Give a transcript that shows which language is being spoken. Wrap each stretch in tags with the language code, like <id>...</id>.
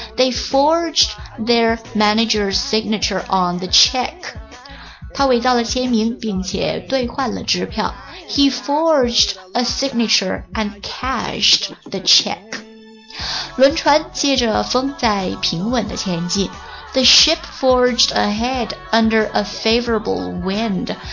<en>They forged their manager's signature on the check.</en> <zh>他伪造了签名并且兑换了支票。</zh> <en>He forged a signature and cashed the check.</en> <zh>轮船借着风在平稳的前进。</zh> <en>The ship forged ahead under a favorable wind.</en>